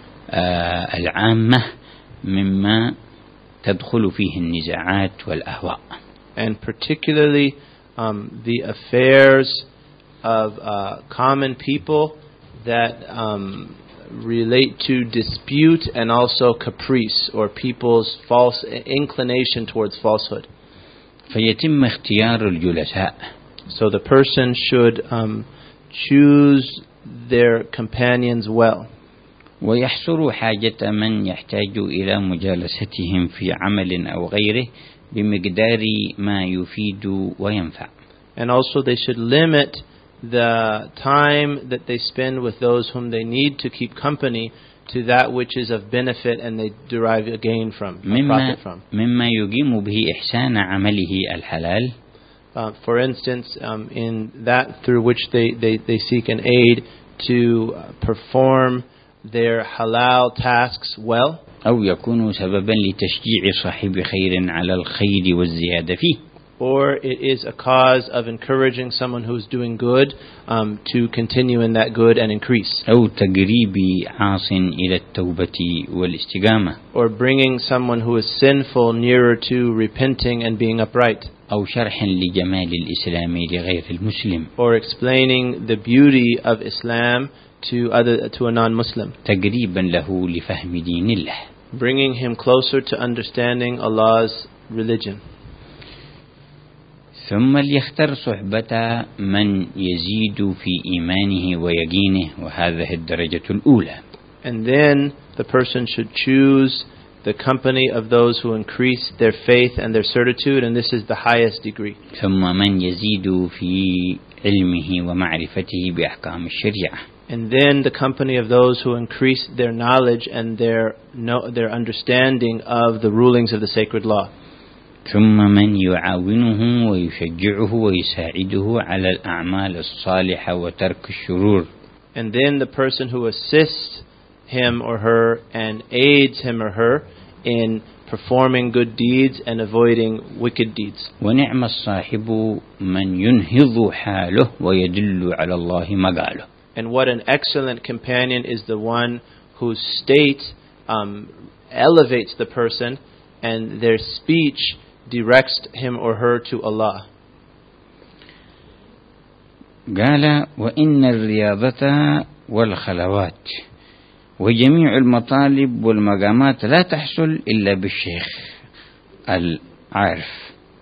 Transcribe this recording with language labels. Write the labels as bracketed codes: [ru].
[ar] العامة مما تدخل فيه النزاعات والأهواء. [en] And particularly the affairs of common people that relate to dispute and also caprice or people's false inclination towards falsehood. [ar] فيتم اختيار الجلساء. [en] So the person should choose their companions well. [ar] ويحصر حاجة من يحتاج إلى مجالستهم في عمل أو غيره بمقدار ما يفيد وينفع. [en] And also they should limit the time that they spend with those whom they need to keep company to that which is of benefit and they derive a gain from, a profit from. [ar] مما يقيم به إحسان عمله الحلال. [en] For instance, in that through which they seek an aid to perform their halal tasks well. [ar] أو يكون سببا لتشجيع صاحب خير على الخير والزيادة فيه. [en] Or it is a cause of encouraging someone who is doing good to continue in that good and increase. [ar] أو تقريب عاص إلى التوبة والاستقامة. [en] Or bringing someone who is sinful nearer to repenting and being upright. [ar] أو شرح لجمال الإسلام لغير المسلم. [en] Or explaining the beauty of Islam to a non-Muslim. [ar] تقريبا له لفهم دين الله. [en] Bringing him closer to understanding Allah's religion. [ar] ثم ليختر صحبة من يزيد في إيمانه ويقينه وهذه الدرجة الأولى. [en] And then the person should choose the company of those who increase their faith and their certitude, and this is the highest degree. [ar] ثم من يزيد في علمه ومعرفته بأحكام الشريعة. [en] And then the company of those who increase their knowledge and their understanding of the rulings of the sacred law. [ar] ثم من يعاونه ويشجعه ويساعده على الأعمال الصالحة وترك الشرور. [en] And then the person who assists him or her and aids him or her in performing good deeds and avoiding wicked deeds. [ar] ونعم الصاحب من ينهض حاله ويدل على الله مقاله. [en] And what an excellent companion is the one whose state elevates the person and their speech directs him or her to Allah. [ar] قال وإن الرياضة والخلوات وجميع المطالب والمقامات لا تحصل إلا بالشيخ العارف.